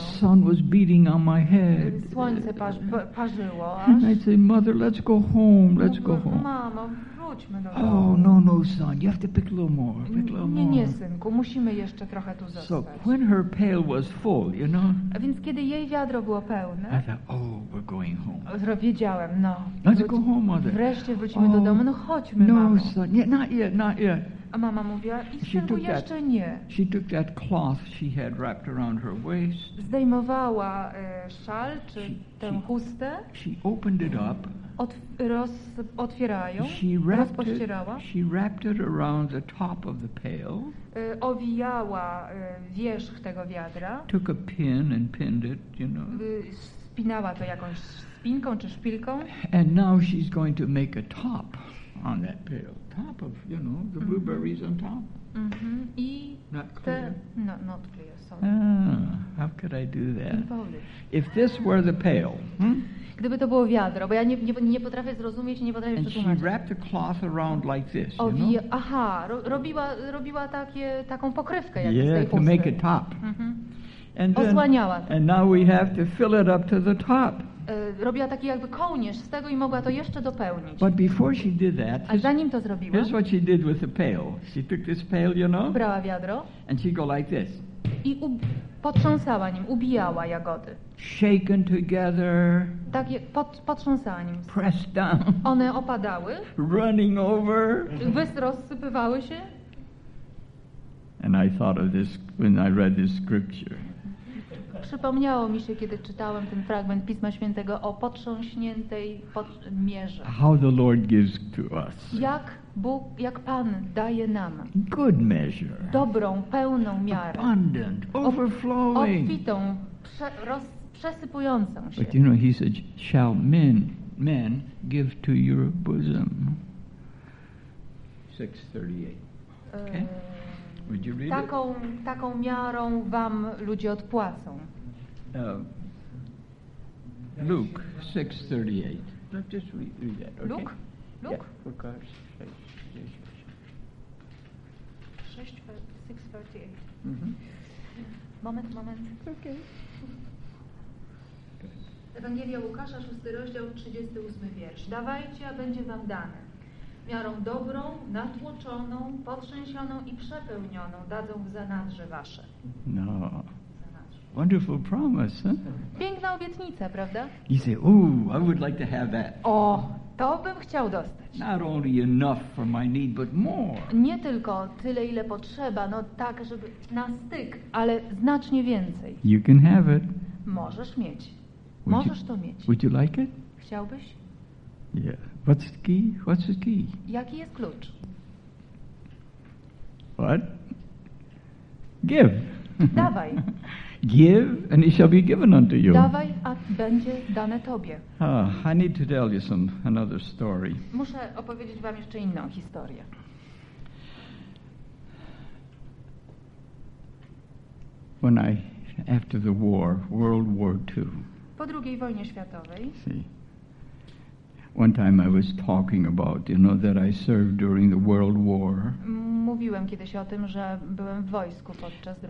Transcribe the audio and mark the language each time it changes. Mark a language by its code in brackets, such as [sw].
[en] Sun was beating on my head. [pl] Słońce parzyło. [en] And I'd say, Mother, let's go home, let's go home. [pl] Mamo, wróćmy do domu. [en] Oh, no, son, you have to pick a little more, pick a little more. [pl] Nie, synku, musimy jeszcze trochę tu zostać. [en] So when her pail was full, you know? [pl] A więc kiedy jej wiadro było pełne, [en] I thought, oh, we're going home. [pl] Wiedziałem, no. [en] Let's go home, Mother. [pl] Wreszcie wrócimy do domu, no chodźmy, no, mamo. [en] No, son, not yet. [pl] A mama mówiła, synku, jeszcze [en] that, [pl] nie. [en] She took that cloth she had wrapped around her waist. [pl] Zdejmowała szal, czy tę chustę. [en] She opened it up. [pl] Rozpościerała. [en] She wrapped it around the top of the pail. [pl] Owijała wierzch tego wiadra. [en] Took a pin and pinned it, you know. [pl] Spinała to jakąś spinką czy szpilką. [en] And now she's going to make a top on that pail. Top of, you know, the blueberries on top. Mm-hmm. I not clear. Not clear. Sorry. Ah, how could I do that? If this were the pail. [pl] Gdyby to było wiadro, bo ja nie potrafię zrozumieć, nie potrafię przetłumaczyć. [en] And she wrapped the cloth around like this, you know? [pl] Aha, robiła taką pokrywkę jak [en] yeah, [pl] z tej chusty. [en] To make a top. Mm-hmm. And then, [pl] osłaniała. [en] And now we have to fill it up to the top. [pl] Robiła taki jakby kołnierz z tego i mogła to jeszcze dopełnić. [en] But before she did that, [pl] a zanim to zrobiła, [en] here's what she did with the pail. She took this pail, you know? [pl] Brała wiadro. [en] And she go like this. [pl] I potrząsała nim, ubijała jagody. [en] Shaken together. [pl] Tak, potrząsała nim. [en] Pressed down. [pl] One opadały. [en] Running over. [pl] Rozsypywały się. [en] And I thought of this when I read this scripture. [pl] Przypomniało mi się, kiedy czytałem ten fragment Pisma Świętego o potrząśniętej mierze. [en] How the Lord gives to us. [pl] Jak Bóg, jak Pan daje nam [en] good measure, [pl] dobrą, pełną miarę, [en] abundant, overflowing, [pl] obfitą, przesypującą się. [en] But you know, he said, shall men give to your bosom? 6:38. Okay. Would you read [pl] taką, [en] it? [pl] Taką miarą wam ludzie odpłacą. [en] Luke 6:38. Just read that. Okay. Luke? Yeah, for God's sake. 6:38. Mm-hmm. Moment. [pl] Ewangelia Łukasza, 6 rozdział, 38 wiersz. Dawajcie, a będzie wam dane. Miarą dobrą, natłoczoną, potrzęsioną i przepełnioną dadzą w zanadrze wasze. [en] No. Wonderful promise, huh? [pl] Piękna obietnica, prawda? [en] You say, ooh, I would like to have that. [pl] O, to bym chciał dostać. [en] Not only enough for my need, but more. [pl] Nie tylko tyle, ile potrzeba, no tak, żeby na styk, ale znacznie więcej. [en] You can have it. [pl] Możesz mieć. Możesz to mieć. [en] Would you like it? [pl] Chciałbyś? [en] Yeah. What's the key? [pl] Jaki jest klucz? [en] What? Give. [pl] Dawaj. [en] Give and it shall be given unto you. [pl] Dawaj, a będzie dane tobie. [en] Oh, I need to tell you another story. [pl] Muszę opowiedzieć wam jeszcze inną historię. [en] When I, after the war, World War II. [pl] Po II wojnie światowej. [en] See, one time I was talking about, you know, that I served during the World War. [pl] Mówiłem kiedyś o tym, że byłem w wojsku podczas II